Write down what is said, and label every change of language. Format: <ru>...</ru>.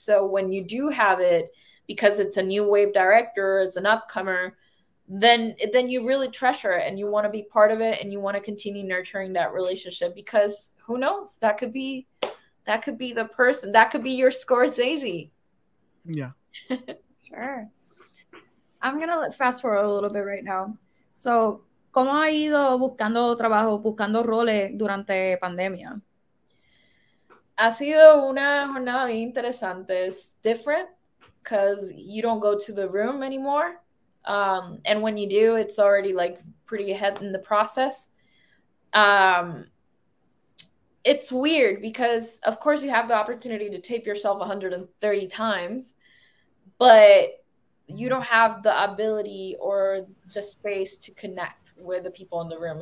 <en>So when you do have it, because it's a new wave director, it's an upcomer, then you really treasure it, and you want to be part of it, and you want to continue nurturing that relationship, because who knows, that could be the person, that could be your Scorsese. Yeah. Sure. I'm going to fast forward a little bit right now.</en> <es>So, ¿cómo ha ido buscando trabajo, buscando roles durante pandemia? Ha sido una jornada bien interesante.</es> <en>It's different, because you don't go to the room anymore. And when you do, it's already like pretty ahead in the process. It's weird, because of course you have the opportunity to tape yourself 130 times, but you don't have the ability or the space to connect with the people in the room.</en>